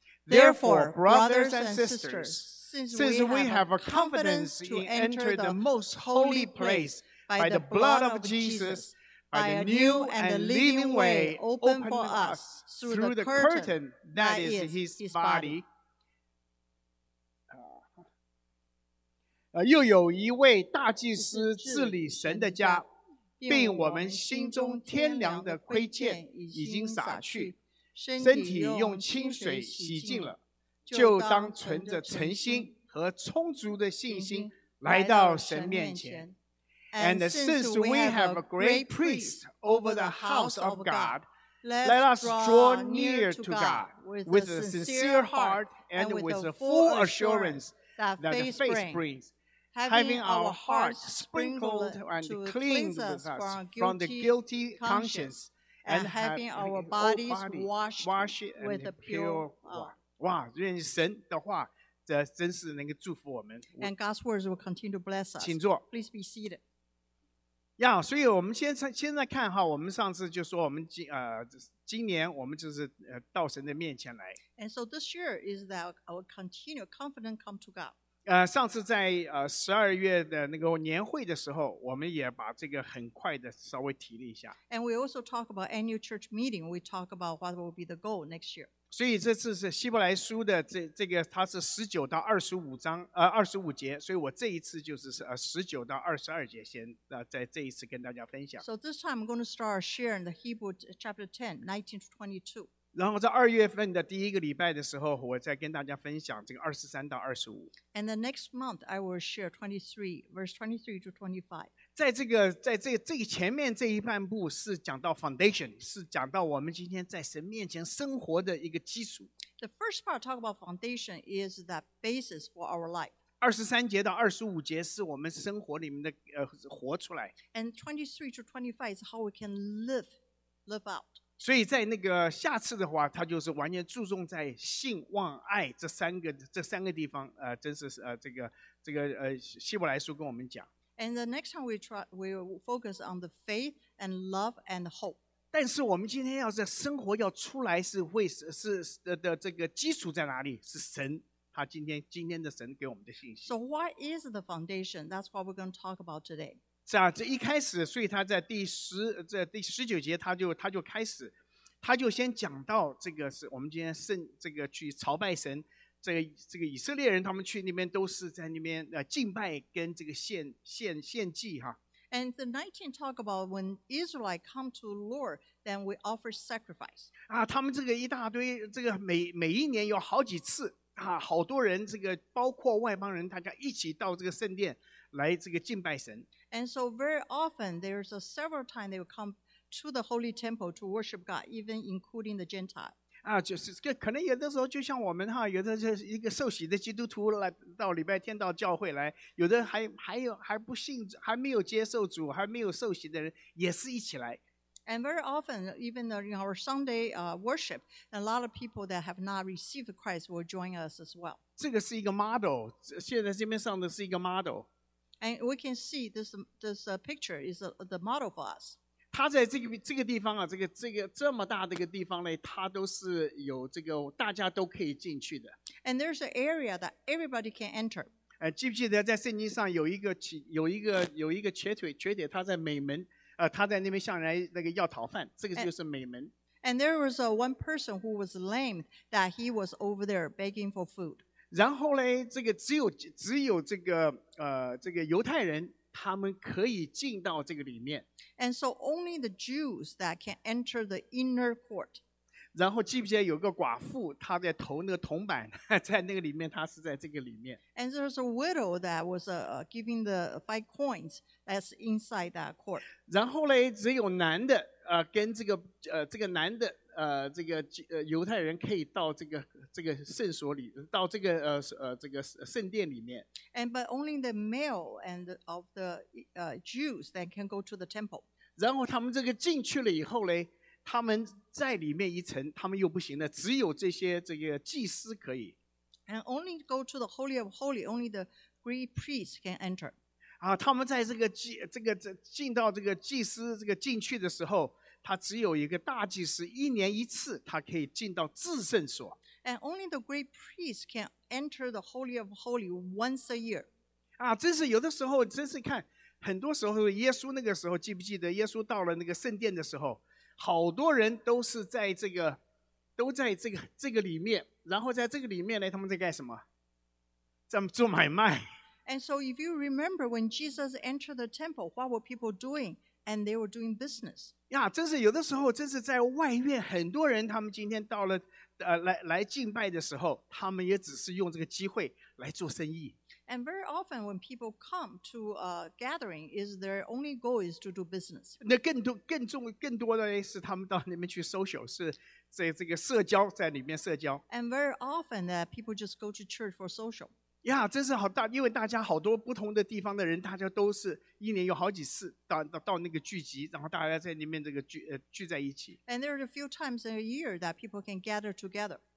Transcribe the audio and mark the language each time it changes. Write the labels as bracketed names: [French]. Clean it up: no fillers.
[English] Therefore, brothers and sisters since we have a confidence to enter the most holy place by the blood of Jesus by a new and living way opened for us through the curtain that is his body. [Chinese] 又有一位大祭司治理神的家并我们心中天良的亏欠已经洒去身体用清水洗净了就当存着诚心和充足的信心来到神面前。 [English] And since we have a great priest over the house of God, let us draw near to God with a sincere heart and with a full assurance that faith brings, having our hearts sprinkled and cleansed with us from the guilty conscience, and having our bodies washed with a pure [Chinese] 哇，愿神的话这真是能够祝福我们。 [English] And God's words will continue to bless us. [Chinese] 请坐。 [English] Please be seated. [Chinese] 呀、yeah, ，所以我们现在看哈，我们上次就说我们今年我们就是到神的面前来。 [English] And so this year is that our continual confident come to God. [Chinese] 上次在12月的那个年会的时候，我们也把这个很快的稍微提了一下。 [English] And we also talk about annual church meeting. We talk about what will be the goal next year. [Chinese] 所以这次是希伯来书的这个它是19到25章25节，所以我这一次就是19到22节先在这一次跟大家分享。 [English] So this time I'm going to start sharing the Hebrew chapter 10:19-22. [Chinese] 然后在二月份的第一个礼拜的时候，我再跟大家分享这个23到25。 [English] And the next month I will share 23:23-25. [Chinese] 在这个前面这一半部是讲到 foundation， 是讲到我们今天在神面前生活的一个基础。 [English] The first part talk about foundation is that basis for our life. [Chinese] 23节到25节是我们生活里面的活出来。 [English] And 23-25 is how we can live out. [Chinese] 所以在那个下次的话，它就是完全注重在信、望、爱这三个地方。真是这个希伯来书跟我们讲。 [English] And the next time we focus on the faith and love and hope. [Chinese] 但是我们今天要在生活要出来是会是的这个基础在哪里？是神，他今天的神给我们的信息。 [English] So what is the foundation? That's what we're going to talk about today. [Chinese] 是啊，这一开始，所以他在第十九节他就开始，他就先讲到这个是我们今天这个去朝拜神。这个以色列人他们去那边都是在那边敬拜跟这个献祭哈。 [English] And the 19 talk about when Israelite come to the Lord, then we offer sacrifice. [Chinese] 啊，他们这个一大堆，这个每一年有好几次啊，好多人这个包括外邦人，大家一起到这个圣殿来这个敬拜神。 [English] And so very often there's a several time they will come to the holy temple to worship God, even including the Gentiles. [Chinese] 啊，就是可能有的时候就像我们哈，有的是一个受洗的基督徒来到礼拜天到教会来，有的还不信，还没有接受主，还没有受洗的人也是一起来。 [English] And very often, even in our Sunday worship, a lot of people that have not received Christ will join us as well. [Chinese] 这个是一个 model， 现在这边上的是一个 model。 [English] And we can see this picture is the model for us. [Chinese] 他在这个地方啊，这个这么大的一个地方呢，他都是有这个大家都可以进去的。 [English] And there's an area that everybody can enter. [Chinese] 记不记得在圣经上有一个瘸腿，他在美门，他在那边向人那个要讨饭，这个就是美门。 [English] And there was one person who was lame that he was over there begging for food. [Chinese] 然后呢，这个只有这个犹太人。他们可以进到这个里面。 [English] And so only the Jews that can enter the inner court. [Chinese] 然后记不记得有个寡妇，她在投那个铜板，在那个里面，她是在这个里面。 [English] And there's a widow that was giving the 5 coins that's inside that court. [Chinese] 然后呢，只有男的，跟这个男的，犹太人可以到这个圣所里，到这个圣殿里面。 [English] And but only the male and of the Jews that can go to the temple. [Chinese] 然后他们这个进去了以后呢，他们在里面一层，他们又不行了，只有这个祭司可以。 [English] And only go to the holy of holy, only the great priest can enter. [Chinese] 啊，他们在这个进到这个祭司这个进去的时候。他只有一个大祭司，一年一次，他可以进到至圣所。 [English] And only the great priest can enter the holy of holy once a year. [Chinese] 啊，真是有的时候，真是看，很多时候，耶稣那个时候，记不记得耶稣到了那个圣殿的时候，好多人都是在这个，都在这个里面，然后在这个里面呢，他们在干什么？在做买卖。 [English] And so if you remember when Jesus entered the temple, what were people doing? And they were doing business. [Chinese] Yeah, 真是有的时候，真是在外院，很多人他们今天到了，来敬拜的时候，他们也只是用这个机会来做生意。 [English] And very often when people come to a gathering, is their only goal is to do business. [Chinese] 那更多的是他们到那边去 social, 是在这个社交，在里面社交。 [English] And very often that people just go to church for social. [Chinese] 呀、yeah, 真是好大，因为大家好多不同的地方的人，大家都是一年有好几次 到那个聚集，然后大家在里面这个 聚在一起。 [English] And there are a few times a year that people can gather together.